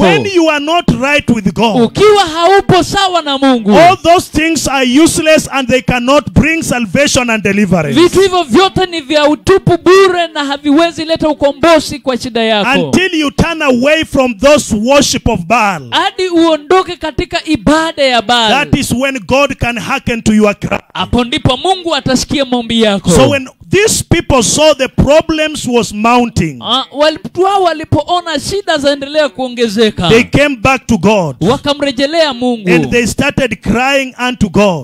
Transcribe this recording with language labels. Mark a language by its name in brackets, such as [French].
[English] When you are not right with God. [Swahili] Ukiwa haupo sawa na Mungu. [English] All those things are useless and they cannot bring salvation and deliverance. [Swahili] Vitu hivyo vyote ni vya utupu bure na haviwezi leta ukombozi kwa shida yako. [English] Until you turn away from those worship of Baal. [Swahili] Hadi uondoke katika ibada ya Baal. [English] That is when God can hearken to your cry. [Swahili] Hapo ndipo Mungu atasikia maombi yako. [English] So when these people saw the problems was mounting. [Swahili] Walipoona shida zaendelea kuongezeka. [English] They came back to God. [Swahili] Wakamrejelea Mungu. [English] And they started crying unto God.